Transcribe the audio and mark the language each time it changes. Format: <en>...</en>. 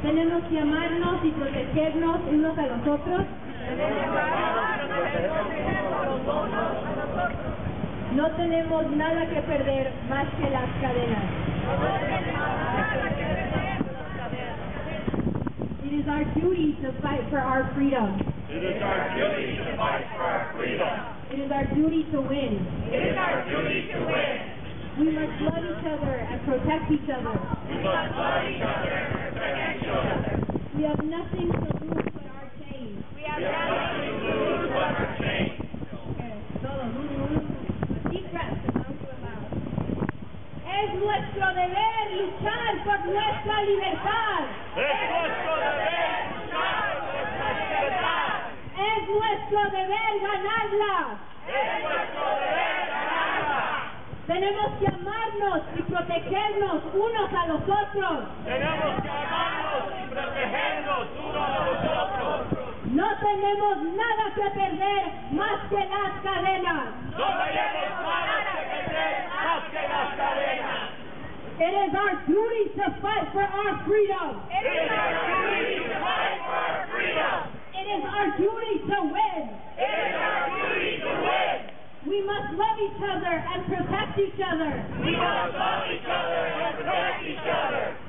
<es>Tenemos que amarnos y protegernos unos a los otros. Tenemos que amarnos y protegernos unos a los otros. No tenemos nada que perder más que las cadenas. No tenemos nada que perder.</es> <en>It is our duty to fight for our freedom. It is our duty to fight for our freedom. It is our duty to win. It is our duty to win. We must love each other and protect each other. We must love each other and protect each other. We have nothing to lose but our chains. We have nothing to lose but our chains.</en> <es>Es nuestro deber luchar por nuestra libertad. Es nuestro deber luchar por nuestra libertad. Es nuestro deber ganarla. Es nuestro deber ganarla. Tenemos que amarnos y protegernos unos a los otros. Tenemos que amarnos y protegernos unos a los otros. No tenemos nada que perder más que las cadenas. No tenemos nada que perder más que las cadenas.</es> <en>It is our duty to fight for our freedom. It is our duty to fight for our freedom. It is our duty to win. It is our duty to win. We must love each other and protect each other. We must love each other and protect each other.</en>